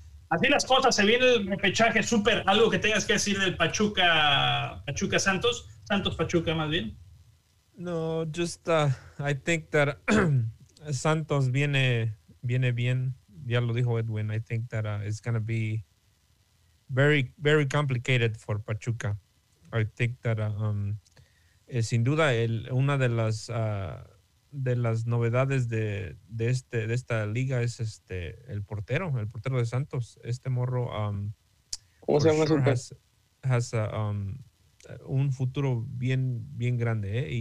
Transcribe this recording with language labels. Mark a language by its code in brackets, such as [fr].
[es] Así las cosas, se viene el repechaje súper. Algo que tengas que decir del Pachuca Santos. Santos Pachuca, más bien. No, [en] just I think that [es] Santos viene bien. Ya lo dijo Edwin. [en] I think that it's going to be very, very complicated for Pachuca. I think that [es] sin duda, una de las. De las novedades de esta liga es el portero de Santos, este morro. ¿Cómo se llama? [en] Sure [es] un futuro bien, bien grande, ¿eh?